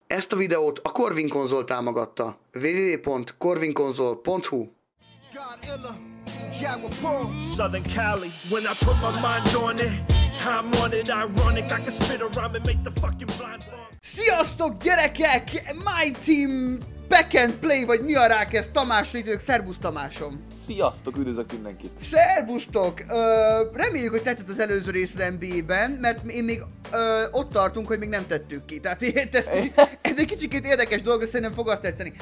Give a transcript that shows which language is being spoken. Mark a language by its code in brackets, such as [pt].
[hu] Ezt a videót a Corvin konzol támogatta. www.corvinkonzol.hu. [en] Southern Cali, when I put my mind on it, time on it, ironic, I can spit around and make the fucking blind fall. [hu] Sziasztok gyerekek! [en] My team back and play, [hu] vagy mi a rák ez? Tamás létezik, szervusz Tamásom! Sziasztok, üdvözlök mindenkit! Szervusztok! Reméljük, hogy tetszett az előző rész az NBA-ben, mert én még ott tartunk, hogy még nem tettük ki. Tehát ez egy kicsikét érdekes dolog, de szerintem fog azt tetszeni.